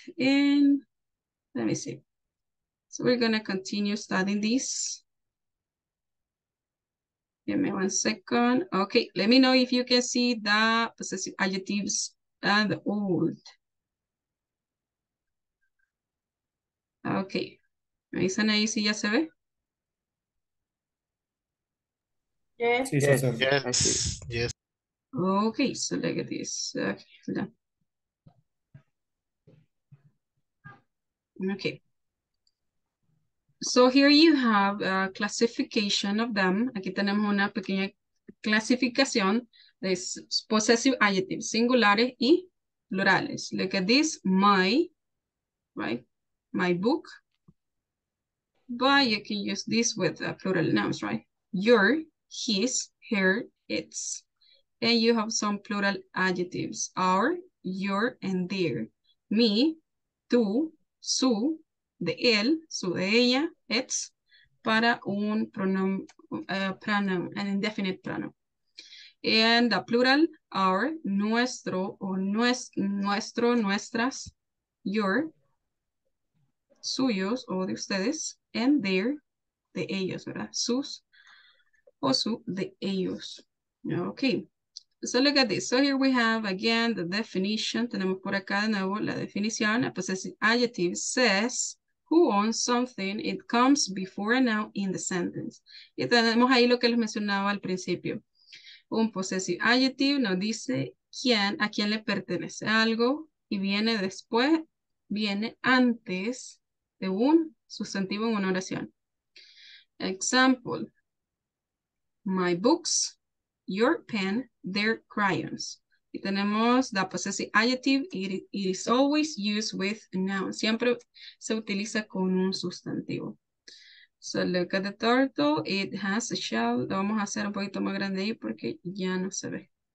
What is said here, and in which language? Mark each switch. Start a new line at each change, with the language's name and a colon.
English: And let me see. So we're going to continue studying this. Give me 1 second. Okay, let me know if you can see the possessive adjectives and old.
Spanish: Okay, me dicen ahí si ya se ve.
English: Yes. Okay, so look at this. Okay, hold on. Okay. So here you have a classification of them.
Spanish: Aquí tenemos una pequeña clasificación de possessive adjectives, singulares y plurales.
English: Look at this, my, right? My book. But you can use this with plural nouns, right? Your, his, her, its. And you have some plural adjectives. Our, your, and their.
Spanish: Me, tu, su, de él, su, de ella, it's, para un pronoun, an indefinite pronoun. And the plural, our, nuestro, o nuestro, nuestras, your, suyos, o de ustedes, and their, de ellos, ¿verdad? Sus, o su, de ellos.
English: Okay, so look at this. So here we have, again, the definition.
Spanish: Tenemos por acá de nuevo la definición.
English: A possessive adjective says, who owns something, it comes before a noun in the sentence.
Spanish: Y tenemos ahí lo que les mencionaba al principio. Un possessive adjective nos dice quién, a quién le pertenece algo y viene después, viene antes de un sustantivo en una oración.
English: Example, my books, your pen, their crayons.
Spanish: Y tenemos
English: the possessive adjective, it is always used with a noun.
Spanish: Siempre se utiliza con un sustantivo.
English: So look at the turtle, it has a shell.
Spanish: Lo vamos a hacer un poquito más grande ahí porque ya no se ve.